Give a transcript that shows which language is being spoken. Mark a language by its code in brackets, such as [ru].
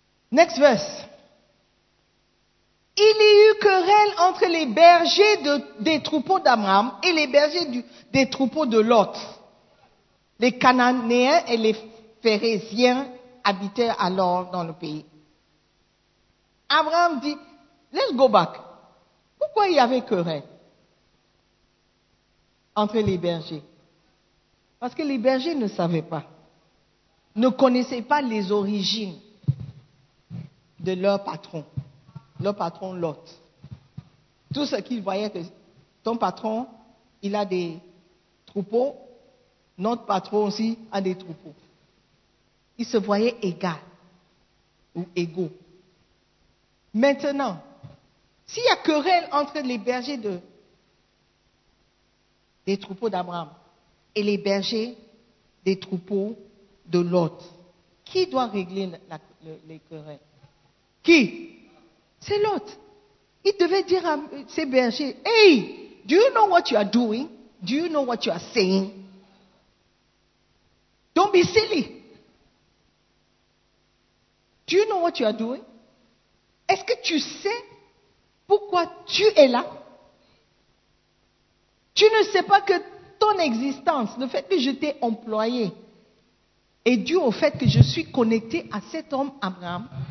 [en] Next verse. [fr] Il y eut querelle entre les bergers des troupeaux d'Abraham et les bergers des troupeaux de Lot. Les Cananéens et les Phéréziens habitaient alors dans le pays. Abraham dit, [en] let's go back. [fr] Pourquoi il y avait querelle entre les bergers? Parce que les bergers ne savaient pas, ne connaissaient pas les origines de leur patron Lot. Tout ce qu'ils voyaient, que ton patron, il a des troupeaux, notre patron aussi a des troupeaux. Il se voyait égal ou égaux. Maintenant, s'il y a querelle entre les bergers des troupeaux d'Abraham et les bergers des troupeaux de Lot, qui doit régler les querelles? Qui? C'est Lot. Il devait dire à ses bergers, « [en] Hey, do you know what you are doing? Do you know what you are saying? » Don't be silly. Do you know what you are doing? [fr] Est-ce que tu sais pourquoi tu es là? Tu ne sais pas que ton existence, le fait que je t'ai employé, est dû au fait que je suis connecté à cet homme Abraham.